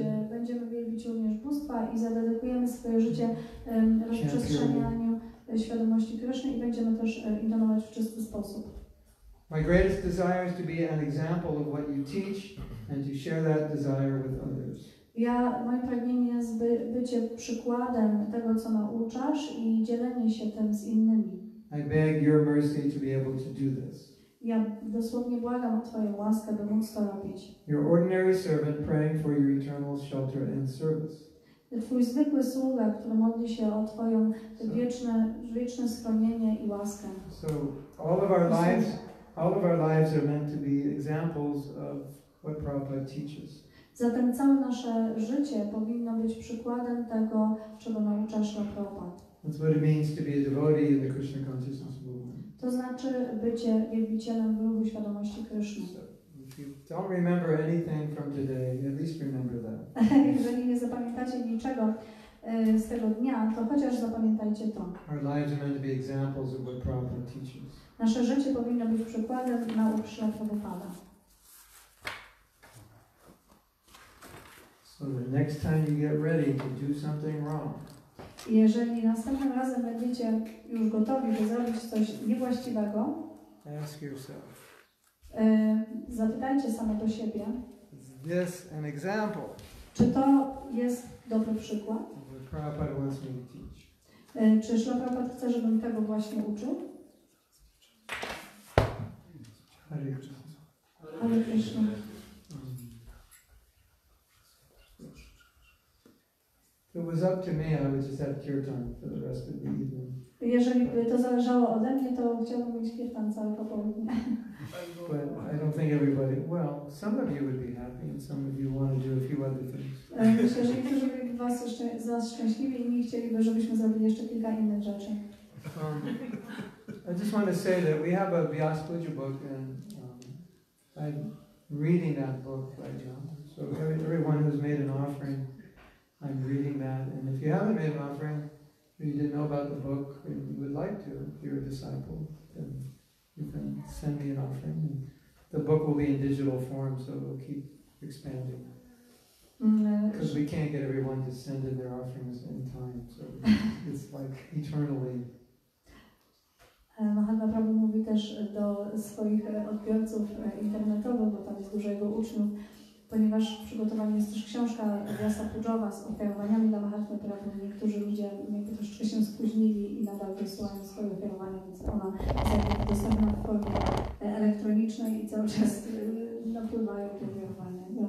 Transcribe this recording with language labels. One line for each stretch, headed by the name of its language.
Polish: będziemy wielbić również bóstwa i zadedykujemy swoje życie rozprzestrzenianiu świadomości Krishny i będziemy też intonować w czysty sposób.
English: My greatest desire is to be an example of what you teach and to share that desire with others.
Polish: Ja, moje pragnienie jest bycie przykładem tego, co nauczasz i dzielenie się tym z innymi.
English: I beg your mercy to be able to do this.
Polish: Ja dosłownie błagam o Twoją łaskę, by móc to robić.
English: Your ordinary servant praying for your eternal shelter and service.
Polish: Twój zwykły sługa, który modli się o Twoją wieczne schronienie i łaskę.
English: So all of our lives are meant to be examples of what Prabhupada teaches.
Polish: Zatem całe nasze życie powinno być przykładem tego, czego naucza Śrila Prabhupada.
English: That's what it means to be a devotee in the Krishna consciousness movement.
Polish: To znaczy bycie wielbicielem w ruchu świadomości Krishna.
English: So, if you don't remember anything from today, at least remember that.
Polish: Jeżeli nie zapamiętacie niczego z tego dnia, to chociaż zapamiętajcie to.
English: Our lives are meant to be examples of what Prabhupada teaches.
Polish: Nasze życie powinno być przykładem nauk Śrila Prabhupada.
English: So the next time you get ready to do something wrong,
Polish: jeżeli następnym razem będziecie już gotowi, by zrobić coś niewłaściwego,
English: ask yourself,
Polish: zapytajcie samo do siebie,
English: is this an example?
Polish: Czy to jest dobry przykład?
English: Prabhupada wants me to teach.
Polish: Czy Śrila Prabhupada chce, żebym tego właśnie uczył?
Sanskrit: Hare Krishna. Hare Krishna.
English: If it was up to me, I would just have kirtan for the rest of the evening.
Polish: Jeżeli by to zależało ode mnie, to chciałbym mieć kirtan całe popołudnie.
English: But I don't think everybody, well, some of you would be happy and some of you want to do a few other things.
Polish: Myślę, że niektórzy by was szczęśliwi i nie chcieliby, żebyśmy zrobili jeszcze kilka innych rzeczy.
English: I just want to say that we have a Vyasa-puja book and I'm reading that book right now. So everyone who's made an offering, I'm reading that, and if you haven't made an offering, or you didn't know about the book, and you would like to, if you're a disciple, then you can send me an offering. And the book will be in digital form, so it will keep expanding. Because we can't get everyone to send in their offerings in time, so it's like eternally.
Polish: Mahatma Prabhu mówi też do swoich odbiorców internetowych, bo tam jest dużo jego uczniów, ponieważ w przygotowaniu jest też książka Vyasa-pujowa z ofiarowaniami dla Mahatmy Prabhu. Niektórzy ludzie jakby troszeczkę się spóźnili i nadal wysyłają swoje ofiarowania, więc ona jest dostępna w formie elektronicznej i cały czas napływają te ofiarowania.